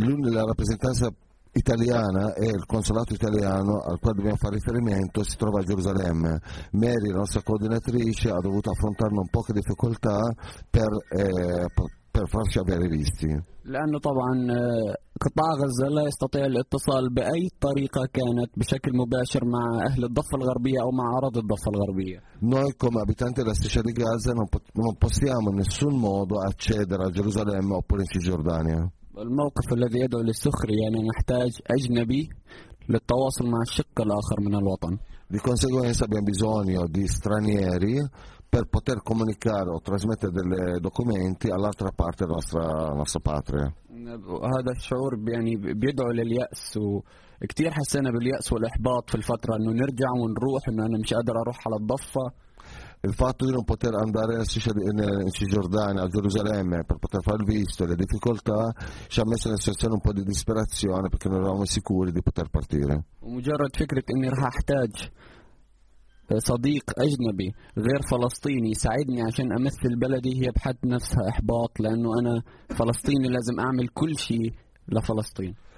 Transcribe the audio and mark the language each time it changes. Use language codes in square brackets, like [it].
[it] La rappresentanza italiana e il consolato italiano al quale dobbiamo fare riferimento si trova a Gerusalemme. Mary, la nostra coordinatrice, ha dovuto affrontare non poche difficoltà per per farci avere visti. [ar] لأنه طبعا قطاع غزة لا يستطيع الاتصال بأي طريقة كانت بشكل مباشر مع أهل الضفة الغربية أو مع أراضي الضفة الغربية. [it] Noi come abitanti della striscia di Gaza non possiamo in nessun modo accedere a Gerusalemme oppure in Cisgiordania. [ar] الموقف الذي يدعو للسخرية يعني نحتاج أجنبي للتواصل مع الشق الآخر من الوطن. [it] Di conseguenza abbiamo bisogno di stranieri per poter comunicare o trasmettere delle documenti all'altra parte della nostra patria. [ar] هذا الشعور يعني بيدعو لليأس وكثير حسينا باليأس والإحباط في الفترة إنه نرجع ونروح إنه أنا مش قادر أروح على الضفة. [it] Il fatto di non poter andare in Cisgiordania, a Gerusalemme, per poter fare il visto, le difficoltà, ci ha messo in situazione un po' di disperazione perché non eravamo sicuri di poter partire. [ar] مجرد فكرة إني راح أحتاج صديق أجنبي غير فلسطيني يساعدني عشان أمثل بلدي هي بحد نفسها إحباط لأنه أنا فلسطيني لازم أعمل كل شيء لفلسطين.